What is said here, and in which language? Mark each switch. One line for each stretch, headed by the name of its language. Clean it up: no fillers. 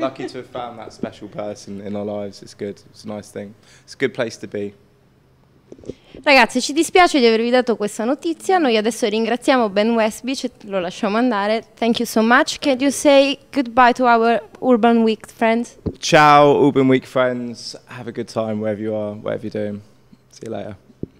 English: Lucky to have found that special person in our lives. It's good. It's a nice thing. It's a good place to be.
Italian: Ragazzi, ci dispiace di avervi dato questa notizia. Noi adesso ringraziamo Ben Westbeech, lo lasciamo andare.
English: Thank you so much. Can you say goodbye to our Urban Week friends? Ciao, Urban Week friends. Have a good time wherever you are, whatever you're doing. See you later.